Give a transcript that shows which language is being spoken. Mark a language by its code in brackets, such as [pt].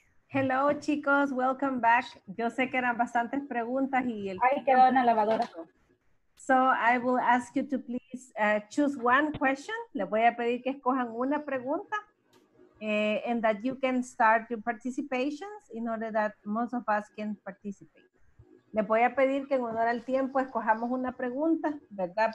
[en] Hello, chicos. Welcome back. [es] Yo sé que eran bastantes preguntas y el... Ahí quedó una lavadora. [en] So I will ask you to please choose one question. [es] Les voy a pedir que escojan una pregunta. [en] And that you can start your participations in order that most of us can participate. [es] Les voy a pedir que en honor al tiempo escojamos una pregunta, ¿verdad?